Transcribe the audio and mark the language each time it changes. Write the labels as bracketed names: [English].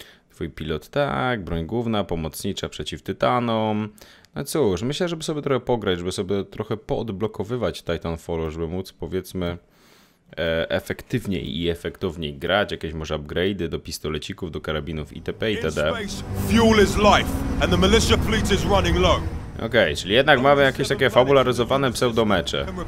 [Polish] Twój pilot, tak, broń główna, pomocnicza przeciw tytanom. No cóż, myślę, żeby sobie trochę pograć, żeby sobie trochę poodblokowywać Titanfall, żeby móc powiedzmy efektywniej i efektowniej grać, jakieś może upgrade'y do pistolecików, do karabinów itp. itd. [English] Fuel is life and the militia fleet is running low. [Polish] Okej, czyli jednak mamy jakieś takie fabularyzowane pseudomecze.